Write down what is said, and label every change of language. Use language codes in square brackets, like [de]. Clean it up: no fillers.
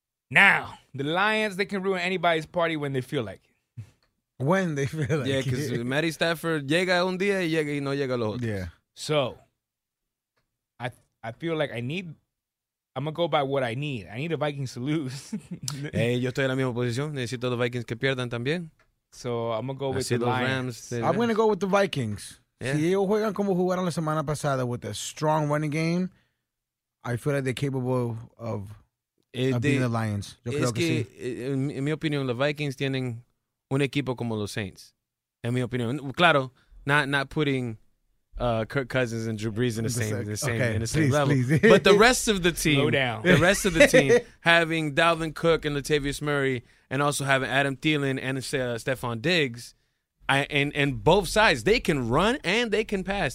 [en] Now, the Lions, they can ruin anybody's party when they feel like it. When they feel like yeah, because [es] Matty Stafford llega un día y llega y no llega los otros. [en] Yeah. So, I feel like I need, I'm going to go by what I need. I need the Vikings to lose. [es] Hey, yo estoy en la misma posición. Necesito los Vikings que pierdan también. [en] So I'm going to go with the Lions. Rams, I'm going to go with the Vikings. Yeah. [es] Si ellos juegan como jugaron la semana pasada [en] with a strong running game, I feel like they're capable of being the Lions. [es] Yo creo que sí. En mi opinión, los Vikings tienen un equipo como los Saints. En mi opinión. Claro, [en] not putting Kirk Cousins and Drew Brees in the same level. But the rest of the team, the rest of the team, having Dalvin Cook and Latavius Murray and also having Adam Thielen and Stephon Diggs, and both sides, they can run and they can pass.